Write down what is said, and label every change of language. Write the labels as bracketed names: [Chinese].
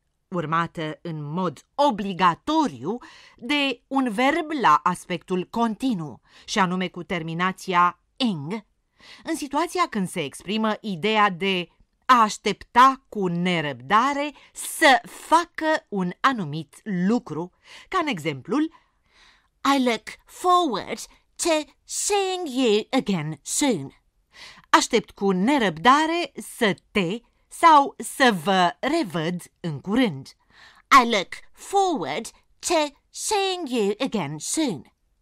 [Romanian] urmată în mod obligatoriu de un verb la aspectul continuu, și anume cu terminația ing, în situația când se exprimă ideea de a aștepta cu nerăbdare să facă un anumit lucru, ca în exemplul [English] I look forward to seeing you again soon. [Romanian] Aștept cu nerăbdare să te sau să vă revăd în curând. [English] I look forward to seeing you again soon.